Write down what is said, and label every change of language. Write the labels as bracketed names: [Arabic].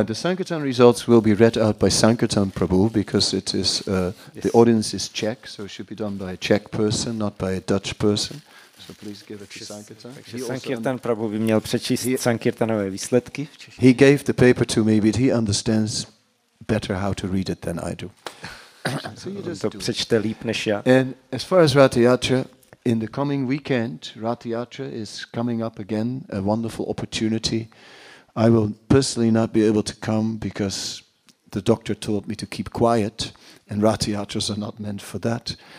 [English] The Sankirtan results will be read out by Sankirtan Prabhu because it is the audience is Czech, so it should be done by a Czech person, not by a Dutch person. So please give it to Sankirtan. [Czech] Takže Sankirtan Prabhu by měl přečíst Sankirtanové výsledky. [English] He gave the paper to me, but he understands better how to read it than I do. [Czech] To přečte líp než já. [English] And as far as Rati Yatra, in the coming weekend, Rati Yatra is coming up again, a wonderful opportunity. I will personally not be able to come because the doctor told me to keep quiet, and Rati Yatras are not meant for that.